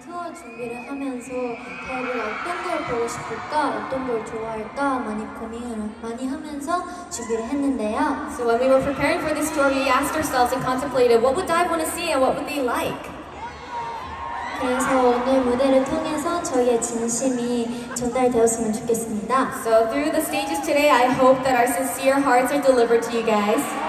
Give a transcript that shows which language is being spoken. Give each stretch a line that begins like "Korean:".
English: So when we were preparing for this tour, we asked ourselves and contemplated what would Dive want to see and what would they like?
Korean: 그래서 오늘 무대를 통해서 저희의 진심이 전달되었으면 좋겠습니다.
English: So through the stages today, I hope that our sincere hearts are delivered to you guys.